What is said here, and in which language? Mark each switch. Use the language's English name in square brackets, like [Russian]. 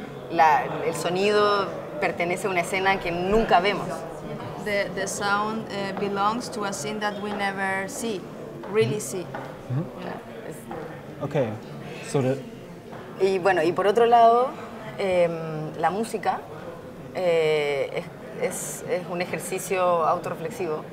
[Spanish] el sonido pertenece a una escena que nunca vemos. [English] The sound belongs to a scene that we never see, really see. Mm-hmm. Okay. So the... [Spanish] Y bueno, y por otro lado, la música es un ejercicio autorreflexivo.